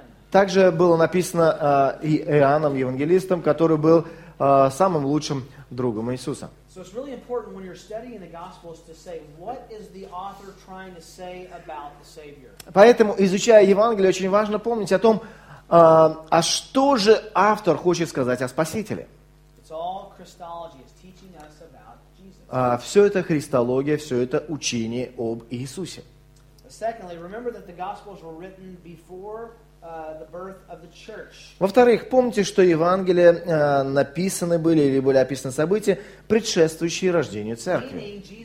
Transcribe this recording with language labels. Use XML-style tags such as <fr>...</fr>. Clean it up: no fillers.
<ru>Также было написано и Иоанном, евангелистом, который был самым лучшим другом Иисуса.</ru> <en>So it's really important when you're studying the Gospels to say, what is the author trying to say about the Savior?</en> <ru>Поэтому, изучая Евангелие, очень важно помнить о том, а что же автор хочет сказать о Спасителе?</ru> <en>It's all Christology. It's teaching us about Jesus.</en> <ru>Все это христология, все это учение об Иисусе.</ru> <en>Secondly, remember that the Gospels were written before the birth of the church.</en> <ru>Во-вторых, помните, что Евангелия написаны были или были описаны события, предшествующие рождению Церкви.</ru>